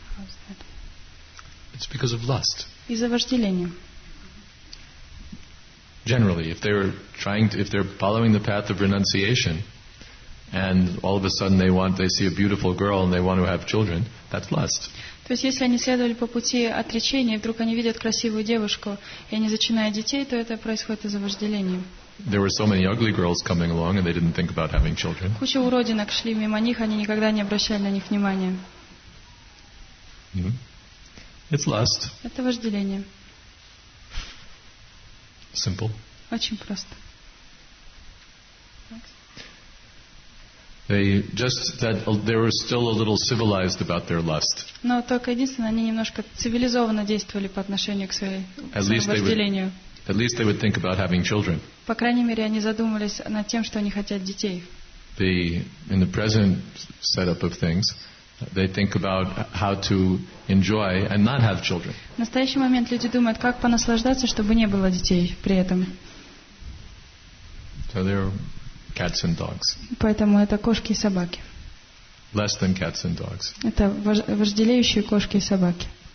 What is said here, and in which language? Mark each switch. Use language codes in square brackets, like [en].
[en] How's that? It's because of lust. [ru] Из-за вожделения. [en] Generally, if they're following the path of renunciation, and all of a sudden they see a beautiful girl and they want to have children, that's lust. [ru] То есть если они следовали по пути отречения, и вдруг они видят красивую девушку, и они зачинают детей, то это происходит из-за вожделения. [en] There were so many ugly girls coming along, and they didn't think about having children. [ru] Куча уродинок шли мимо них, они никогда не обращали на них внимания. [en] It's lust. [ru] Это вожделение. [en] Simple. [ru] Очень просто. [en] They just that they were still a little civilized about their lust. [ru] Но только единственное, они немножко цивилизованно действовали по отношению к своему вожделению. [en] At least they would think about having children. [ru] По крайней мере, они задумались над тем, что они хотят детей. [en] In the present setup of things, they think about how to enjoy and not have children. [ru] В настоящий момент люди думают, как понаслаждаться, чтобы не было детей при этом. [en] So they're cats and dogs. [ru] Поэтому это кошки и собаки. [en] Less than cats and dogs. [ru] Это вожделеющие кошки и собаки.